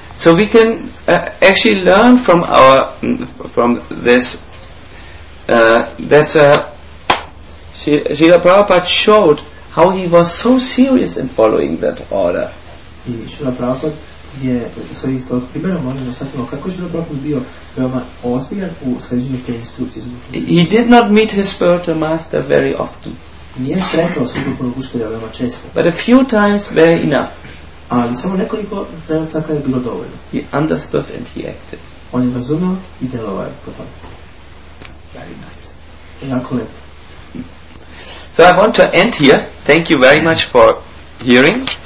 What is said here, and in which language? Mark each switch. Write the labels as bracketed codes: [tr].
[en] So we can actually learn from our from this that Srila Prabhupada showed how he was so serious in following that order. [sr] I Srila Prabhupada je sa istog primjera možemo shvatiti kako Srila Prabhupada bio veoma ozbiljan u sređenju te instrukcije. [en] He did not meet his spiritual master very often. [sr] Nije sretao svog duhovnog učitelja veoma često. [en] But a few times were enough. [sr] Ali samo nekoliko trenutaka je bilo dovoljno. [en] He understood and he acted. [sr] On je razumio i djelovao po tome. [en] Very nice. [sr] Jako lepo. [en] So I want to end here. Thank you very much for hearing.